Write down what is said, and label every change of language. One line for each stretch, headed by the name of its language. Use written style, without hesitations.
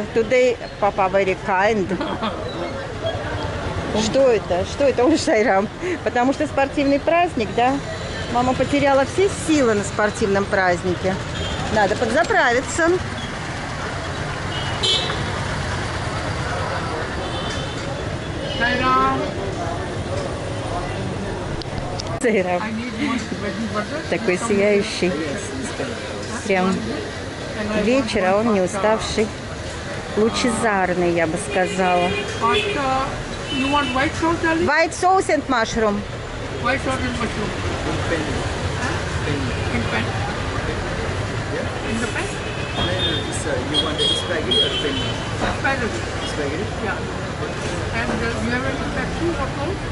English: Today,
Russian: папа,
English: very kind.
Russian: Что это? Что это, Сайрам? Потому что спортивный праздник, да? Мама потеряла все силы на спортивном празднике. Надо подзаправиться. Сейра. Сейра. Такой сияющий. Прям вечер, а он не уставший. Лучезарный, я бы сказала.
English: You want white sauce, Ali? White sauce and mushroom. White sauce and mushroom. In pen. Huh? In pen. In the pen? No, it's you want the spaghetti or pen? Spaghetti. Spaghetti? Yeah. And do you have any Pepsi or Coke?